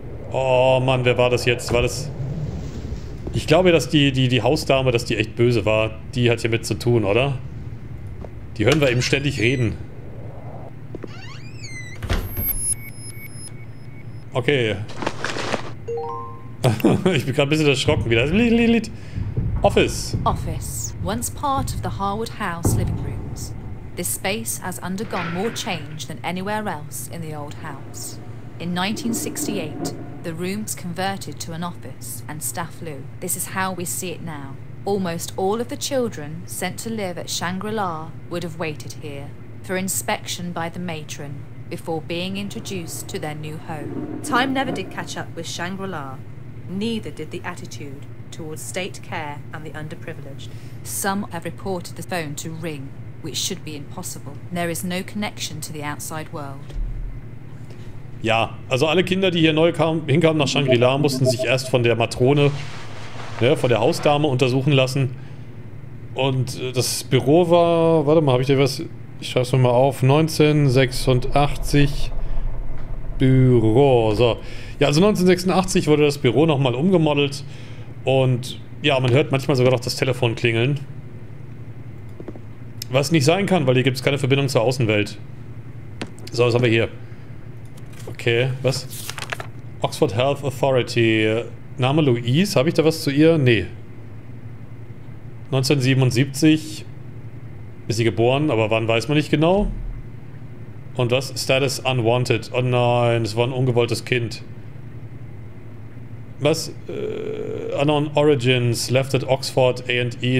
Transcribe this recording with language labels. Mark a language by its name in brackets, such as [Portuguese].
[German] Oh Mann, wer war das jetzt? War das... Ich glaube, dass die Hausdame, dass die echt böse war, die hat hier mit zu tun, oder? Die hören wir eben ständig reden. Okay. Ich bin gerade ein bisschen erschrocken wieder. [English] Office. Office, once part of the Harwood House living rooms. This space has undergone more change than anywhere else in the old house. In 1968, the rooms converted to an office and staff loo. This is how we see it now. Almost all of the children sent to live at Shangri-La would have waited here for inspection by the matron before being introduced to their new home. Time never did catch up with Shangri-La, neither did the attitude towards state care and the underprivileged. Some have reported the phone to ring, which should be impossible. There is no connection to the outside world. [German] Ja, also alle Kinder, die hier neu hinkamen nach Shangri-La, mussten sich erst von der Matrone, ne, von der Hausdame untersuchen lassen. Und das Büro war, warte mal, habe ich dir was, ich schreibe es mal auf, 1986 Büro, so. Ja, also 1986 wurde das Büro nochmal umgemodelt und ja, man hört manchmal sogar noch das Telefon klingeln. Was nicht sein kann, weil hier gibt es keine Verbindung zur Außenwelt. So, was haben wir hier? Okay, was? [English] Oxford Health Authority. [German] Name Louise, habe ich da was zu ihr? Nee. 1977 ist sie geboren, aber wann weiß man nicht genau. Und was? [English] Status unwanted. [German] Oh nein, es war ein ungewolltes Kind. [English] Was? Unknown origins. Left at Oxford A&E.